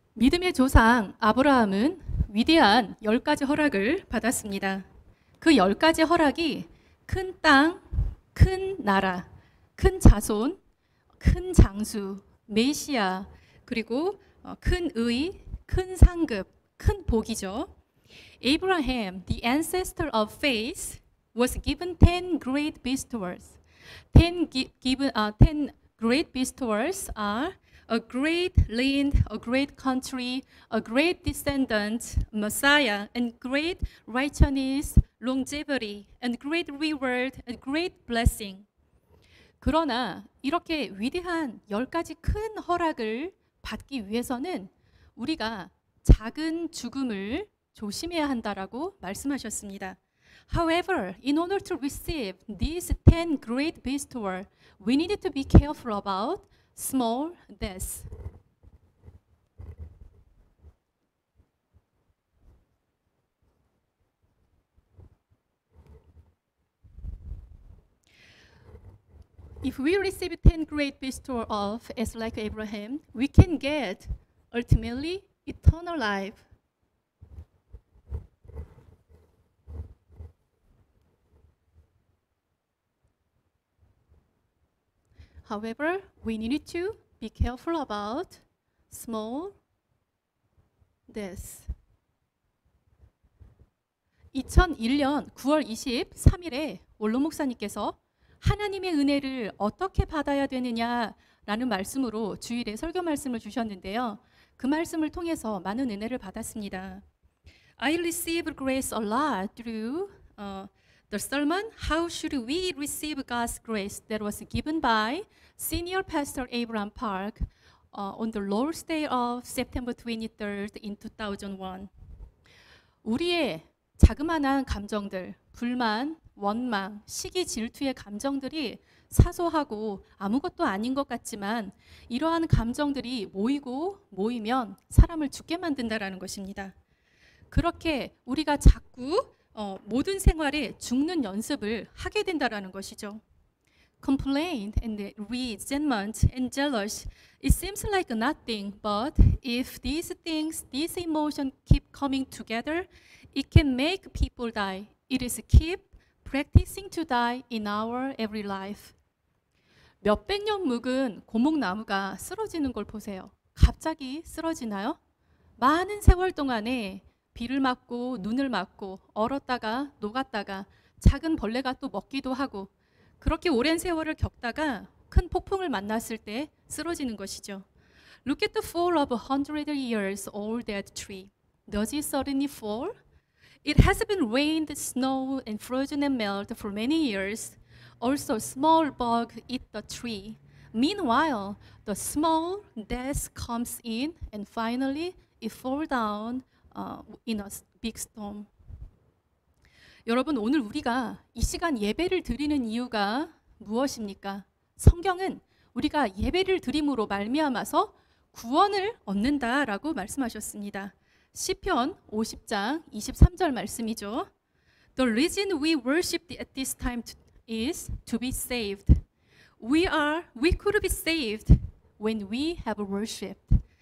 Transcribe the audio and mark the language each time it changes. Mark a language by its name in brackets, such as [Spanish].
[Korean] 믿음의 조상 아브라함은 위대한 열 가지 허락을 받았습니다. 그 열 가지 허락이 큰 땅, 큰 나라, 큰 자손, 큰 장수, 메시아, 그리고 큰 의, 큰 상급, 큰 복이죠. [English] Abraham, the ancestor of faith, was given 10 great bestowals. 10 great bestowals are a great land, a great country, a great descendant, Messiah, and great righteousness, longevity, and great reward, and great blessing. [Korean] 그러나 이렇게 위대한 열 가지 큰 허락을 받기 위해서는 우리가 작은 죽음을 조심해야 한다라고 말씀하셨습니다. [English] However, in order to receive these 10 great bestowals, we need to be careful about small deaths. 10 great bestowals of as like Abraham, we can get ultimately eternal life. 하우에버, we need to be careful about small deaths. [Korean] 2001년 9월 23일에 원로 목사님께서 하나님의 은혜를 어떻게 받아야 되느냐라는 말씀으로 주일에 설교 말씀을 주셨는데요. 그 말씀을 통해서 많은 은혜를 받았습니다. [English] I receive grace a lot through the sermon, How Should We Receive God's Grace? That was given by Senior Pastor Abraham Park on the Lord's Day of September 23rd in 2001. [Korean] 우리의 자그마한 감정들, 불만, 원망, 시기, 질투의 감정들이 사소하고 아무것도 아닌 것 같지만 이러한 감정들이 모이고 모이면 사람을 죽게 만든다라는 것입니다. 그렇게 우리가 자꾸 모든 생활에 죽는 연습을 하게 된다라는 것이죠. [English] Complaint and resentment and jealousy, it seems like nothing, but if these things, these emotions keep coming together, it can make people die. It is keep practicing to die in our every life. [Korean] 몇백 년 묵은 고목나무가 쓰러지는 걸 보세요. 갑자기 쓰러지나요? 많은 세월 동안에 비를 맞고 눈을 맞고 얼었다가 녹았다가 작은 벌레가 또 먹기도 하고 그렇게 오랜 세월을 겪다가 큰 폭풍을 만났을 때 쓰러지는 것이죠. [English] Look at the fall of a 100 years old dead tree. Does it suddenly fall? It has been rained, snow, and frozen and melt for many years. Also, small bug eat the tree. Meanwhile, the small death comes in and finally it falls down in a big storm. [Korean] 여러분, 오늘 우리가 이 시간 예배를 드리는 이유가 무엇입니까? 성경은 우리가 예배를 드림으로 말미암아서 구원을 얻는다라고 말씀하셨습니다. 시편 50장 23절 말씀이죠. [English] The reason we worship at this time is to be saved. We could be saved when we have worshiped.